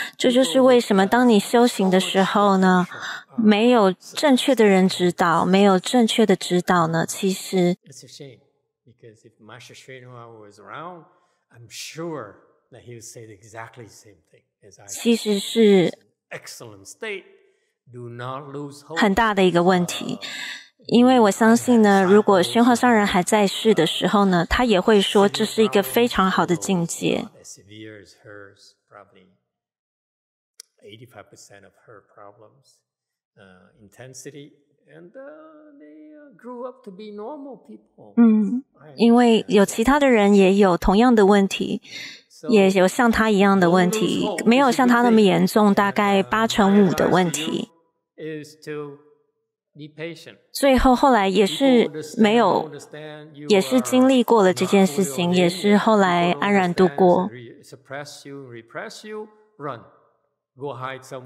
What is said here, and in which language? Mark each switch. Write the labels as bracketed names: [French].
[Chinese] 这就是为什么当你修行的时候呢，没有正确的人指导，没有正确的指导呢，其实。 [English] Because if Master Srinua was around, I'm sure that he would say exactly the same thing as I. [Chinese] 其实是 [English] excellent state. Do not lose hope. [Chinese] 很大的一个问题，因为我相信呢，如果宣化上人还在世的时候呢，他也会说这是一个非常好的境界。 [English] As severe as hers, probably 85% of her problems, intensity. And they grew up to be normal people. [Chinese] 因为有其他的人也有同样的问题，也有像他一样的问题，没有像他那么严重，大概八成五的问题。 [English] Is to be patient. [Chinese] 最后后来也是没有，也是经历过了这件事情，也是后来安然度过。 [English] Suppress you, repress you, run, go hide somewhere.